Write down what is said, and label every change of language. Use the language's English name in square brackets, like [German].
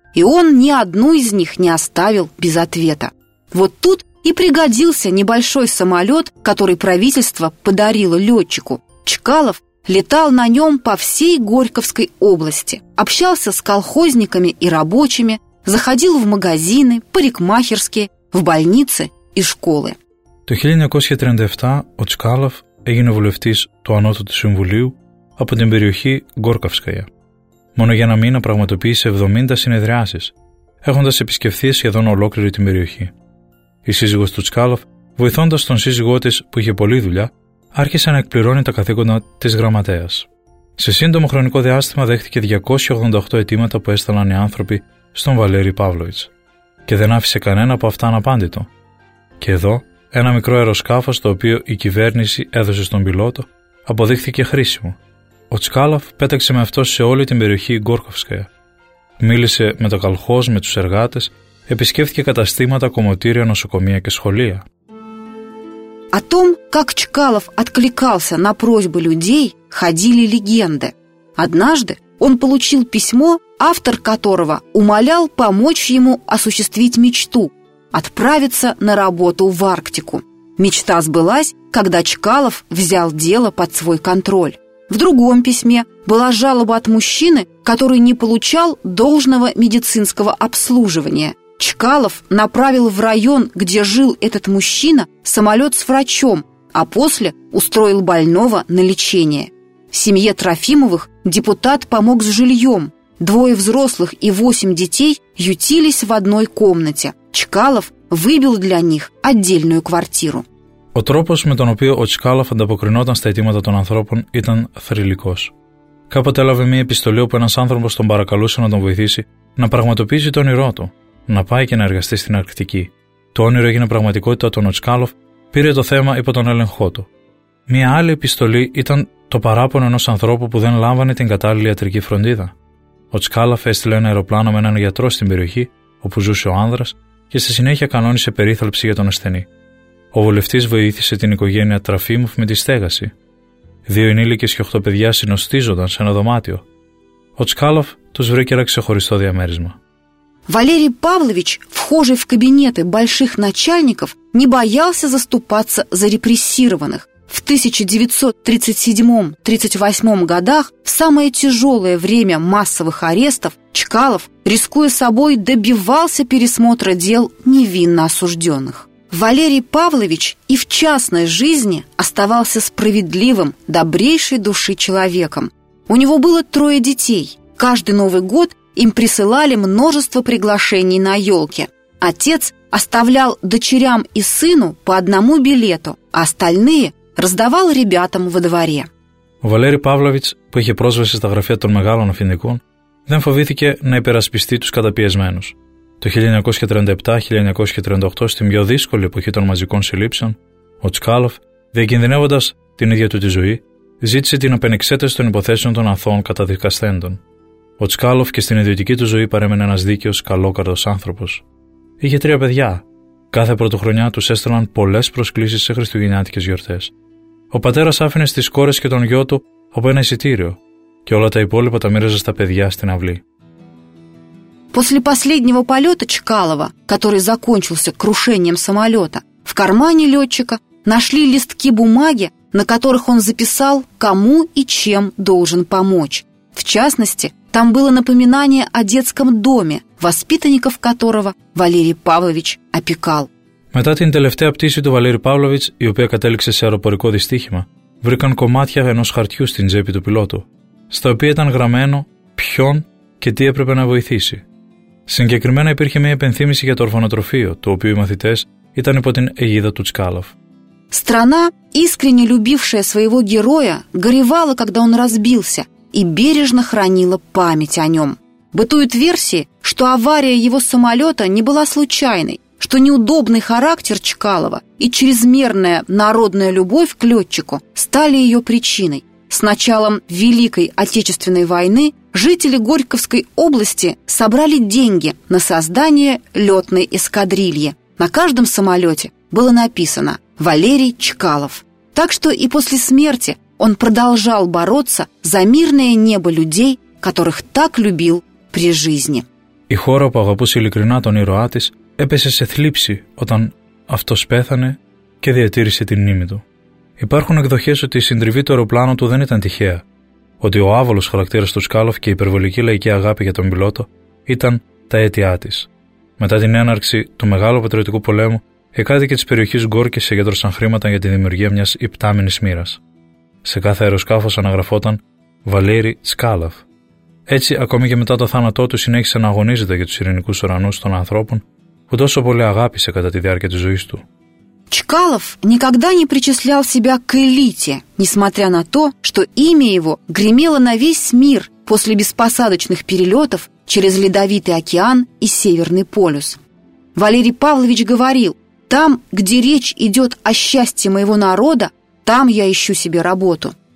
[Russian] И он ни одну из них не оставил без ответа. Вот тут и пригодился небольшой самолет, который правительство подарило летчику. Чкалов летал на нем по всей Горьковской области, общался с колхозниками и рабочими, заходил в магазины, парикмахерские, в больницы и школы. [Greek] Το 1937 ο Чкалов έγινε βουλευτής του Ανώτατου Συμβουλίου από την περιοχή Γκόρκοφσκαια. Μόνο για ένα μήνα πραγματοποίησε 70 συνεδριάσεις, έχοντας επισκεφθεί σχεδόν ολόκληρη την περιοχή. Η σύζυγος του Τσκάλοφ, βοηθώντας τον σύζυγό της που είχε πολλή δουλειά, άρχισε να εκπληρώνει τα καθήκοντα της γραμματέας. Σε σύντομο χρονικό διάστημα δέχτηκε 288 αιτήματα που έστελαν οι άνθρωποι στον Βαλέρη Παύλοβιτς και δεν άφησε κανένα από αυτά αναπάντητο. Και εδώ, ένα μικρό αεροσκάφος το οποίο η κυβέρνηση έδωσε στον πιλότο αποδείχθηκε χρήσιμο. Ο Τσκάλοφ πέταξε με αυτό σε όλη την περιοχή Γκόρκοφσκαια. Μίλησε με το καλχόζ, με τους εργάτες, επισκέφθηκε καταστήματα, κομμωτήρια, νοσοκομεία και σχολεία. [Russian] О том, как Чкалов откликался на просьбы людей, ходили легенды. Однажды он получил письмо, автор которого умолял помочь ему осуществить мечту – отправиться на работу в Арктику. Мечта сбылась, когда Чкалов взял дело под свой контроль. В другом письме была жалоба от мужчины, который не получал должного медицинского обслуживания. Чкалов направил в район, где жил этот мужчина, самолет с врачом, а после устроил больного на лечение. Семье Трофимовых депутат помог с жильем. Двое взрослых и 8 детей ютились в одной комнате. Чкалов выбил для них отдельную квартиру. [Greek] Ο τρόπος με τον οποίο ο Τσκάλοφ ανταποκρινόταν στα αιτήματα των ανθρώπων ήταν θρυλικός. Κάποτε έλαβε μια επιστολή όπου ένας άνθρωπος τον παρακαλούσε να τον βοηθήσει να πραγματοποιήσει το όνειρό του, να πάει και να εργαστεί στην Αρκτική. Το όνειρο έγινε πραγματικότητα όταν ο Τσκάλοφ πήρε το θέμα υπό τον έλεγχό του. Μια άλλη επιστολή ήταν το παράπονο ενός ανθρώπου που δεν λάμβανε την κατάλληλη ιατρική φροντίδα. Ο Τσκάλοφ έστειλε ένα αεροπλάνο με έναν γιατρό στην περιοχή όπου ζούσε ο άνδρας και στη συνέχεια κανόνισε περίθαλψη για τον ασθενή. Ο βουλευτής βοήθησε την οικογένεια Τραφίμοφ με τη στέγαση. Δύο ενήλικες και 8 παιδιά συνοστίζονταν σε ένα δωμάτιο. Ο Τσκάλοφ τους βρήκε ένα ξεχωριστό διαμέρισμα. [Russian] Валерий Павлович, вхожий в кабинеты больших начальников, не боялся заступаться за репрессированных. В 1937-38 годах, в самое тяжелое время массовых арестов, Чкалов, рискуя собой, добивался пересмотра дел невинно осужденных. Валерий Павлович и в частной жизни оставался справедливым, добрейшей души человеком. У него было трое детей. Каждый Новый год им присылали множество приглашений на елки. Отец оставлял дочерям и сыну по одному билету, а остальные раздавал ребятам во дворе. [Greek] Валерий Павлович, που είχε πρόσβαση στα γραφεία των μεγάλων αφηνικών, δεν φοβήθηκε να υπερασπιστεί τους καταπιεσμένους. Το 1937-1938, στην πιο δύσκολη εποχή των μαζικών συλλήψεων, ο Τσκάλοφ, διακινδυνεύοντας την ίδια του τη ζωή, ζήτησε την απενεξέταση των υποθέσεων των αθώων καταδικαστέντων. Ο Τσκάλοφ και στην ιδιωτική του ζωή παρέμενε ένας δίκαιος, καλόκαρδος άνθρωπος. Είχε τρία παιδιά. Κάθε πρωτοχρονιά τους έστελναν πολλές προσκλήσεις σε χριστουγεννιάτικες γιορτές. Ο πατέρας άφηνε στις κόρες και τον γιο του από ένα εισιτήριο, και όλα τα υπόλοιπα τα μοίραζε στα παιδιά στην αυλή. [Russian] После последнего полета Чкалова, который закончился крушением самолета, в кармане летчика нашли листки бумаги, на которых он записал, кому и чем должен помочь. В частности, там было напоминание о детском доме, воспитанников которого Валерий Павлович опекал. [Greek] Μετά την τελευταία πτήση του Валерий Павлович, η οποία κατέληξε σε αεροπορικό δυστύχημα, βρήκαν κομμάτια ενός χαρτιού στην τσέπη του πιλότου, στα οποία ήταν γραμμένο ποιον και τι έπρεπε να βοηθήσει. Συγκεκριμένα υπήρχε μια υπενθύμηση για το ορφανοτροφείο, το οποίο οι μαθητές ήταν υπό την αιγίδα του Τσκάλοφ. [Russian] Страна, искренне любившая своего героя, горевала, когда он разбился, и бережно хранила память о нем. Бытуют версии, что авария его самолета не была случайной, что неудобный характер Чкалова и чрезмерная народная любовь к летчику стали ее причиной. С началом Великой Отечественной войны жители Горьковской области собрали деньги на создание летной эскадрильи. На каждом самолете было написано «Валерий Чкалов». Так что и после смерти он продолжал бороться за мирное небо людей, которых так любил при жизни. [Greek] Η χώρα που αγαπούσε ειλικρινά τον ήρωά της έπεσε σε θλίψη όταν αυτός πέθανε και διατήρησε την μνήμη του. Υπάρχουν εκδοχές ότι η συντριβή του αεροπλάνου του δεν ήταν τυχαία, ότι ο άβολος χαρακτήρας του Σκάλοφ και η υπερβολική λαϊκή αγάπη για τον πιλότο ήταν τα αίτια της. Μετά την έναρξη του Μεγάλου Πατριωτικού Πολέμου, οι κάτοικοι της περιοχής Γκόρκης συγκέντρωσαν χρήματα για τη δημιουργία μιας υπτάμενης μοίρας. Σε κάθε αεροσκάφος αναγραφόταν Βαλέρι Σκάλοφ. Έτσι, ακόμη και μετά το θάνατό του, συνέχισε να αγωνίζεται για τους ειρηνικούς ουρανούς των ανθρώπων που τόσο πολύ αγάπησε κατά τη διάρκεια της ζωής του. [Russian] Чкалов никогда не причислял себя к элите, несмотря на то, что имя его гремело на весь мир после беспосадочных перелетов через Ледовитый океан и Северный полюс. Валерий Павлович говорил: «Там, где речь идет о счастье моего народа, там я ищу себе работу».